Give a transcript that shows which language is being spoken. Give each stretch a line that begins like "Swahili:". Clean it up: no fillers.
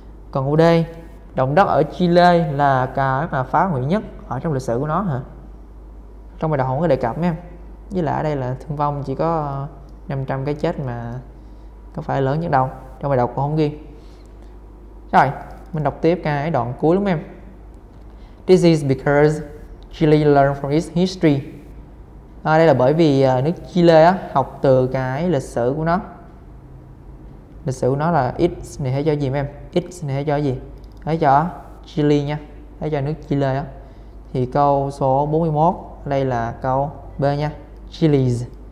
Vietnamese: Còn câu D, động đất ở Chile là cái mà phá hủy nhất ở trong lịch sử của nó hả? Trong bài đọc không có đề cập em. Với lại ở đây là thương vong chỉ có 500 cái chết mà có phải lớn nhất đâu. Trong bài đọc cũng không ghi. Rồi, mình đọc tiếp cái đoạn cuối lắm em.
English: This is because Chile learned from its history.
Vietnamese: À, đây là bởi vì nước Chile á, học từ cái lịch sử của nó. Lịch sử của nó là its này hay cho gì em? Its này hay cho gì? Hãy cho Chile nha, hãy cho nước Chile á. Thì câu số 41, đây là câu B nha, Chile's.